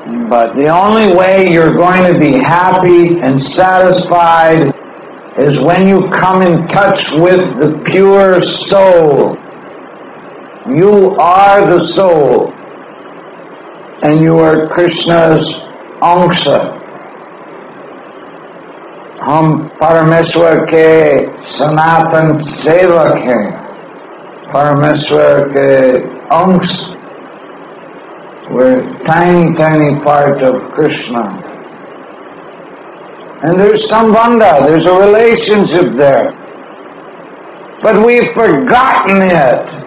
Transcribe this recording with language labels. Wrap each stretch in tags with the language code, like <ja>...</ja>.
<en>But the only way you're going to be happy and satisfied is when you come in touch with the pure soul. You are the soul, and you are Krishna's Amsha.</en> <hi>हम परमेश्वर के सनातन सेवक हैं. परमेश्वर के अंश.</hi> <en>We're a tiny, tiny part of Krishna. And there's sambandha, there's a relationship there. But we've forgotten it.</en>